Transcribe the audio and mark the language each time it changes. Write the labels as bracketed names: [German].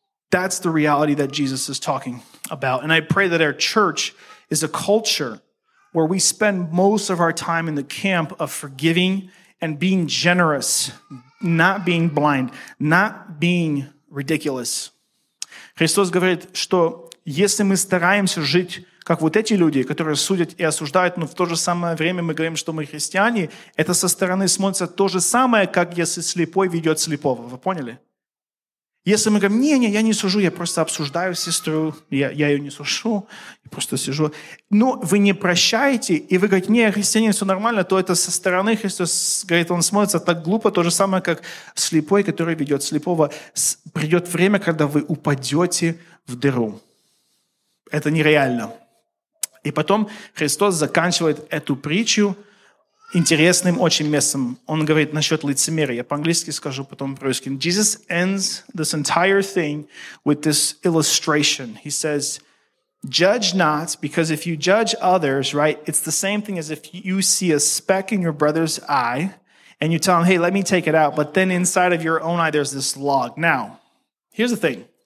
[English] That's the reality that Jesus is talking about. And I pray that our church is a culture where we spend most of our time in the camp of forgiving and being generous, not being blind, not being ridiculous. [Russian] Христос говорит, что если мы стараемся жить как вот эти люди, которые судят и осуждают, но в то же самое время мы говорим, что мы христиане, это со стороны смотрится то же самое, как если слепой ведет слепого. Вы поняли? Если мы говорим, не-не, я не сужу, я просто обсуждаю сестру, я ее не сужу, я просто сижу. Но вы не прощаете, и вы говорите, не, я христианин, все нормально, то это со стороны Христос, говорит, он смотрится так глупо, то же самое, как слепой, который ведет слепого. Придет время, когда вы упадете в дыру. Это нереально. И потом Христос заканчивает эту притчу интересным очень местом. Он говорит насчет лицемерия. Я по-английски скажу, потом по-русски. [English] Jesus ends this entire thing with this illustration. He says, judge not, because if you judge others, right, it's the same thing as if you see a speck in your brother's eye and you tell him, hey, let me take it out. But then inside of your own eye, there's this log. Now, here's the thing.